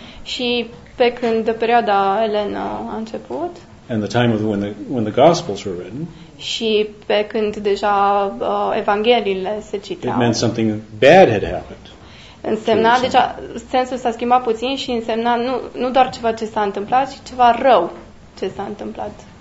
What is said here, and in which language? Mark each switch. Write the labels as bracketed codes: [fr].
[ro] Și pe când perioada elenă a început. [en] And the time of when the Gospels were written. [ro] Și pe când deja evangheliile se citeau. [en] It meant something bad had happened. [ro] Însemna, deja sensul s-a schimbat puțin și însemna nu doar ceva ce s-a întâmplat, ci ceva rău ce s-a întâmplat.